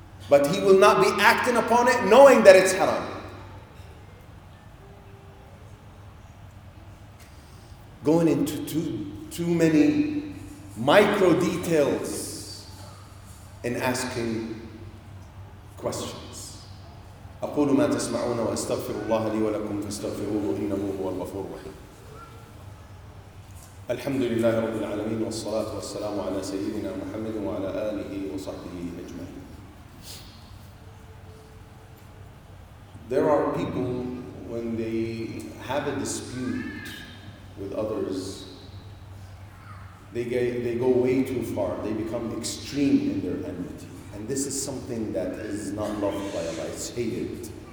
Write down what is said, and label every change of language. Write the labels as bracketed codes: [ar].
[en] But he will not be acting upon it knowing that it's haram. Going into too many micro details in asking questions. [ar] أقول ما تسمعون وأستغفر الله لي ولكم فاستغفروه إنه هو الغفور الرحيم. الحمد لله رب العالمين والصلاة والسلام على سيدنا محمد وعلى آله وصحبه أجمعين. [en] There are people when they have a dispute with others, they go way too far. They become extreme in their enmity. And this is something that is not loved by Allah. It's hated.